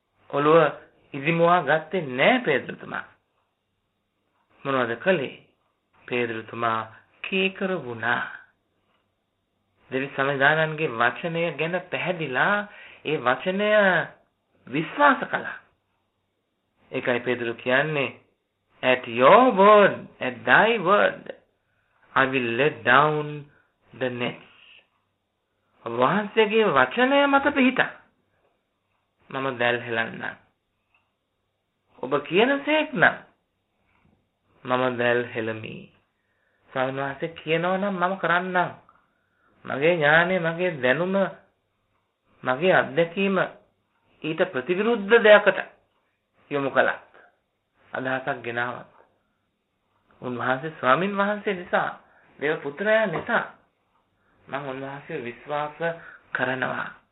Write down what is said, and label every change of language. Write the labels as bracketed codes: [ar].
[si] ඔළුව ඉදිමුවා ගත්තේ නෑ පේදුරුතුමා. මොනවද කළේ? පේදුරුතුමා කීකර වුණා. දෙවි සමිධානන්ගේ වචනය ගැන පැහැදිලා ඒ වචනය විශ්වාස කළා. ඒකයි පේදුරු කියන්නේ [en] at your word, at thy word, I will let down the nets. [si] වහන්සේගේ වචනය මත පිහිටා මම දැල් හෙලන්නම්. ඔබ කියන සේක් නම් මම දැල් හෙලමි. ස්වාමීන් වහන්සේ කියනවා නම් මම කරන්නම්. මගේ ඥානය, මගේ දැනුම, මගේ අත්දැකීම ඊට ප්‍රතිවිරුද්ධ දෙයකට යොමු කළත්, අදහසක් ගෙනාවත්, උන්වහන්සේ ස්වාමින් වහන්සේ නිසා, දේව පුත්‍රයා නිසා මම උන්වහන්සේ විශ්වාස කරනවා.